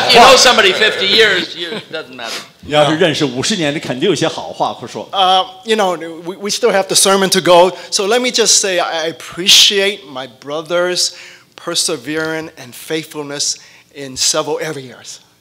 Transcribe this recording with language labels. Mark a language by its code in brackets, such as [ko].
[en] After you know somebody 50 years, it doesn't matter. [zh] 要是认识50年，你肯定有些好话可说。 [en] You know, we still have the sermon to go, so let me just say I appreciate my brother's perseverance and faithfulness in several areas.